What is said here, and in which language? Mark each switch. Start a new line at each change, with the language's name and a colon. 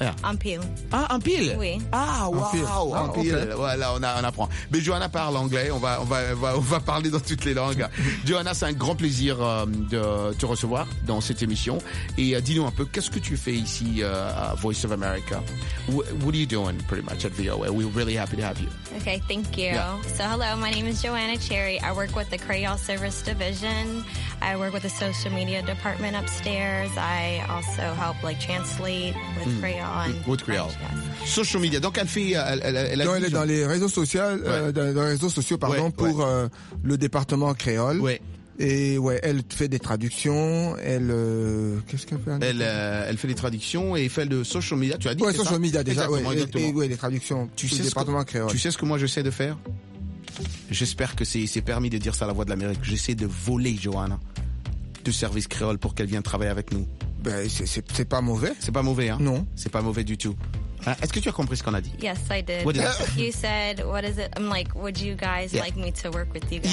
French: Ah, en pile. Oui. Ah, wow. En pile. Okay. Voilà, on apprend. Mais Johanna parle anglais. On va parler dans toutes les langues. Johanna, c'est un grand plaisir de te recevoir dans cette émission. Et dis-nous un peu, qu'est-ce que tu fais ici à Voice of America?
English: What are you doing pretty much at VOA? We're really happy to have you. Okay, thank you. Yeah. So hello, my name is Johanna Cherry. I work with the Crayola Service Division. I work with the social media department upstairs. I also help like translate with Crayola. With Crayola. Yes. Social media.
French: Donc elle fait, elle est dans les réseaux sociaux, pour le département Crayola. Ouais. Et ouais, elle fait des traductions, qu'est-ce qu'elle fait? Elle fait des traductions et fait le social media, tu as dit. Ouais, c'est
English: social
French: ça media déjà, exactement, ouais. Exactement. Et ouais, les traductions. Tu sais, département créole. Tu sais ce que moi j'essaie de faire? J'espère que c'est permis de dire ça à la voix de l'Amérique. J'essaie de voler Johanna du service créole pour qu'elle vienne travailler avec nous. Ben, c'est pas mauvais. C'est pas mauvais, hein? Non. C'est pas mauvais du tout. Est-ce que tu as compris ce qu'on a dit?
English: Yes, I did. What did I say? You said, what is it? I'm like, would you guys yeah like me to work with you guys?